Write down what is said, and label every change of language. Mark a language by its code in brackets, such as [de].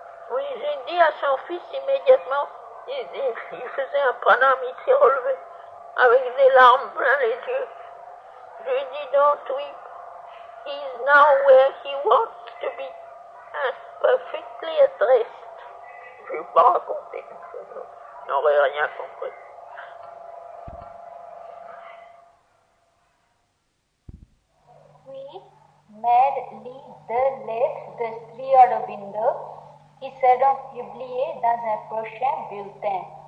[fr] Oui, j'ai dit à son fils immédiatement, il faisait un pranam, il s'est relevé. avec des larmes plein les yeux. Je lui dis, [en] don't weep, he's now where he wants to be. Perfectly at rest. [fr] Je lui ai pas raconté, n'aurait rien compris. Mad lit deux lettres de Sri Aurobindo qui seront publiées dans un prochain bulletin.